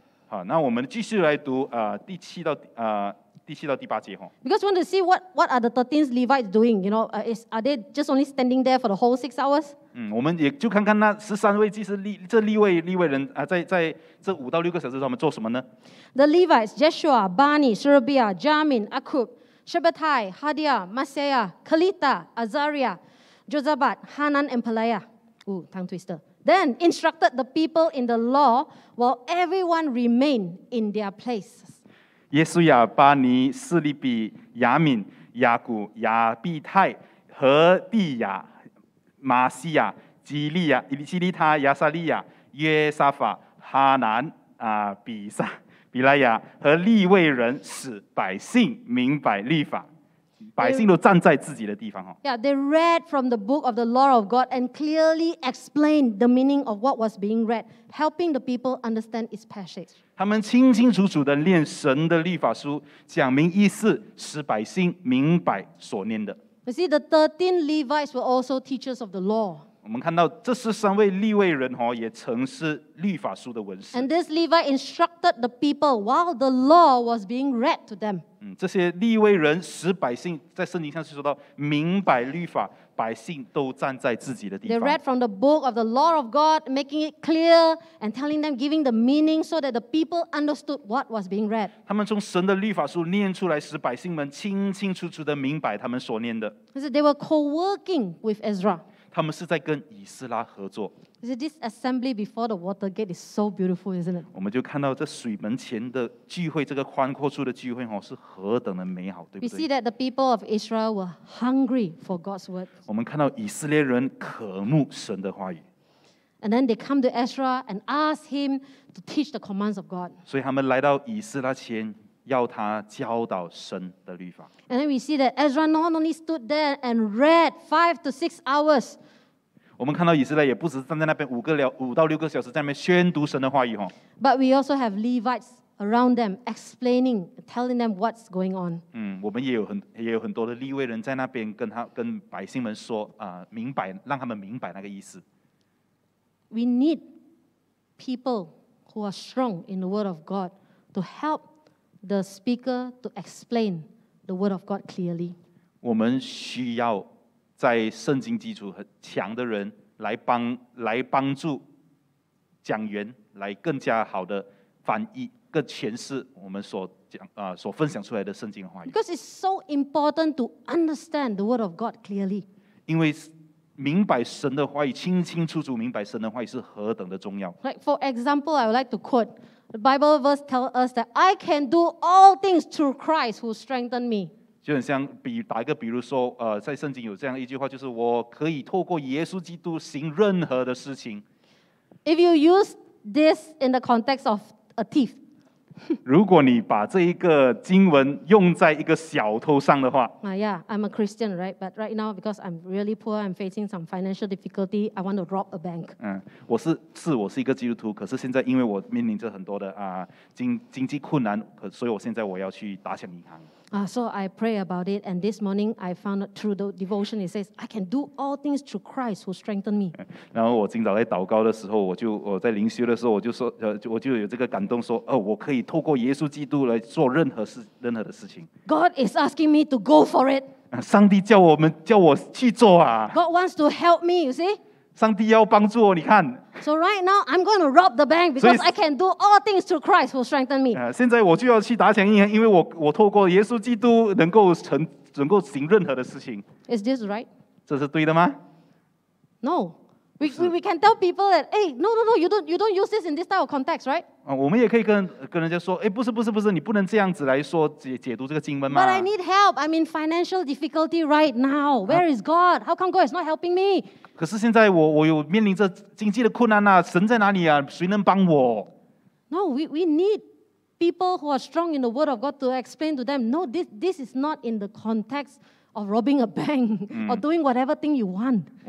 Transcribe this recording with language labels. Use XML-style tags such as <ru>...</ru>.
<zh>好，那我们继续来读第七到第八节哈。</zh> <en>Because we want to see what are the 13 Levites doing, you know, are they just only standing there for the whole 6 hours?</en> <zh>嗯，我们也就看看那十三位祭司立位人啊，在这五到六个小时他们做什么呢</zh> <en>？The Levites: Jeshua, Bani, Sherebiah, Jamin, Akub, Shabbatai, Hadia, Maseiah, Kalita, Azariah, Josabat, Hanan, and Pelaya. Ooh, tongue twister. Then instructed the people in the law while everyone remained in their place.</en> <zh>耶稣亚、巴尼、示利比、亚敏、亚古、亚比泰和地亚。马西亚、基利亚、基利他、亚撒利亚、约沙法、哈南、比萨、比莱亚和利未人使百姓明白律法，百姓都站在自己的地方。</zh> <en>Yeah, they read from the book of the law of God and clearly explained the meaning of what was being read, helping the people understand its passage.</en> <zh>他们清清楚楚地念神的律法书，讲明意思，使百姓明白所念的。</zh> <en>You see, the 13 Levites were also teachers of the law.</en> <zh>我们看到这十三位立位人哦，也曾是律法书的文士。</zh> <en>And this Levite instructed the people while the law was being read to them.</en> <zh>嗯，这些立位人使百姓在圣经上是说到明白律法，百姓都站在自己的地方。</zh> <en>They read from the book of the law of God, making it clear and telling them, giving the meaning so that the people understood what was being read.</en> <zh>他们从神的律法书念出来，使百姓们清清楚楚地明白他们所念的。</zh> <en>They were co-working with Ezra.</en> <zh>他们是在跟以斯拉合作。</zh> <en>This assembly before the water gate is so beautiful, isn't it?</en> <zh>我们就看到这水门前的聚会，这个宽阔处的聚会哦，是何等的美好，对不对？</zh> <en>We see that the people of Israel were hungry for God's word.</en> <zh>我们看到以色列人渴慕神的话语。</zh> <en>And then they come to Ezra and ask him to teach the commands of God.</en> <zh>所以他们来到以斯拉前，要他教导神的律法。</zh> <en>And then we see that Ezra not only stood there and read 5 to 6 hours.</en> <zh>我们看到以色列也不只是站在那边五到六个小时在那边宣读神的话语哈。</zh> <en>But we also have Levites around them explaining, telling them what's going on.</en> <zh>嗯，我们也有很多的立位人在那边跟百姓们说啊、明白，让他们明白那个意思。</zh> <en>We need people who are strong in the word of God to help the speaker to explain the word of God clearly.</en> <zh>我们需要。在圣经基础很强的人来帮助讲员来更加好的翻译更诠释我们所分享出来的圣经话语。</zh> <en>Because it's so important to understand the word of God clearly.</en> <zh>因为明白神的话语，清清楚楚明白神的话语是何等的重要。</zh> <en>Like for example, I would like to quote the Bible verse tell us that I can do all things through Christ who strengthened me.</en> <zh>就很像比如说、在圣经有这样一句话，就是我可以透过耶稣基督行任何的事情。</zh> <en>If you use this in the context of a thief,</en> <zh>如果你把这一个经文用在一个小偷上的话、</zh> <en>yeah, I'm a Christian, right? But right now, because I'm really poor, I'm facing some financial difficulty, I want to rob a bank.、</en> <zh>我是一个基督徒，可是现在因为我面临着很多的、经济困难，所以我现在我要去打抢银行。</zh> <en>So I pray about it, and this morning I found through the devotion, it says, I can do all things through Christ who strengthened me.</en> <zh>然后我今早在祷告的时候，我在灵修的时候，我就说，我就有这个感动，说，我可以透过耶稣基督来做任何的事情。</zh> <en>God is asking me to go for it.</en> <zh>上帝叫我去做啊。</zh> <en>God wants to help me, you see.</en> <zh>上帝要帮助我，你看。</zh> <en>So right now, I'm going to rob the bank because I can do all things through Christ who strengthened me.</en> <zh>现在我就要去打抢银行，因为我透过耶稣基督能够行任何的事情。</zh> <en>Is this right?</en> <zh>这是对的吗</zh> <en>？No, We can tell people that, hey, no, you don't use this in this type of context, right?</en> <zh>我们也可以跟人家说, 欸, 不是, 你不能这样子来说, 解读这个经文吗?</zh> <en>But I need help. I'm in financial difficulty right now. Where is God? How come God is not helping me?</en> <zh>可是现在我有面临着经济的困难啊, 神在哪里啊, 谁能帮我?</zh> <en>No, we need people who are strong in the word of God to explain to them, no, this is not in the context of robbing a bank or doing whatever thing you want.</en>